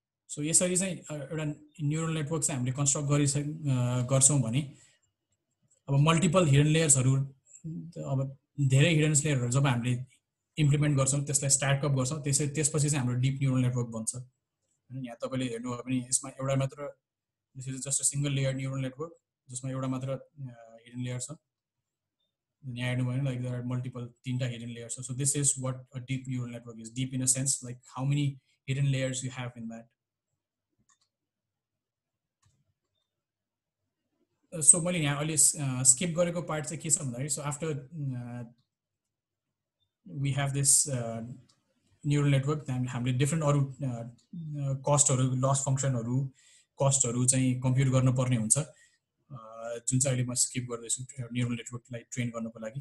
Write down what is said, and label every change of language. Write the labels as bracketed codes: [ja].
[ne] So यसरी चाहिँ एउटा न्युरल नेटवर्क चाहिँ हामीले कन्स्ट्रक्ट गर्छौँ भने अब मल्टिपल हिडन लेयर्सहरू, अब धेरै हिडन लेयरहरू जब हामीले इम्प्लिमेन्ट गर्छौँ, त्यसलाई स्टार्टअप गर्छौँ, त्यसरी त्यसपछि चाहिँ हाम्रो डिप न्युरल नेटवर्क बन्छ. होइन, यहाँ तपाईँले हेर्नुभयो भने यसमा एउटा मात्र, [en] this is just a single layer neural network [ne] जसमा एउटा मात्र हिडन लेयर छ. यहाँ हेर्नुभयो भने लाइक [en] there are multiple, [ne] तिनवटा हिडन लेयर छ. [en] So this is what a deep neural network is, deep in a sense like how many hidden layers you have in that. [ne] So मैले यहाँ अहिले skip गरेको पार्ट चाहिँ के छ भन्दाखेरि, [en] so after we have this neural network, [ne] हामीले different अरू कस्टहरू, लस फङ्सनहरू, कस्टहरू चाहिँ कम्प्युट गर्नुपर्ने हुन्छ, जुन चाहिँ अहिले म स्किप गर्दैछु न्युरल नेटवर्कलाई ट्रेन गर्नुको लागि.